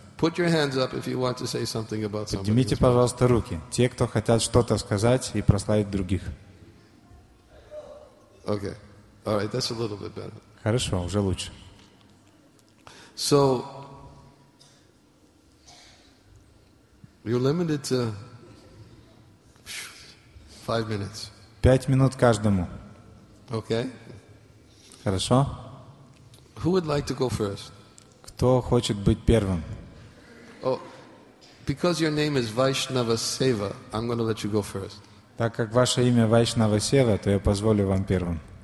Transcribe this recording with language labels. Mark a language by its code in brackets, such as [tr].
[en] Put your hands up if you want to say something about somebody. [ru] Поднимите, пожалуйста, руки. Те, кто хотят что-то сказать и прославить других. [en] Okay. All right, that's a little bit better. [ru] Хорошо, уже лучше. [en] So you're limited to 5 minutes. [ru] 5 минут каждому. [en] Okay. [ru] Хорошо. [en] Who would like to go first? [ru] Кто хочет быть первым? [en] Oh, because your name is Vaishnava Seva, I'm going to let you go first. [ru] Так как ваше имя Вайшнава Сева, то я позволю вам первым.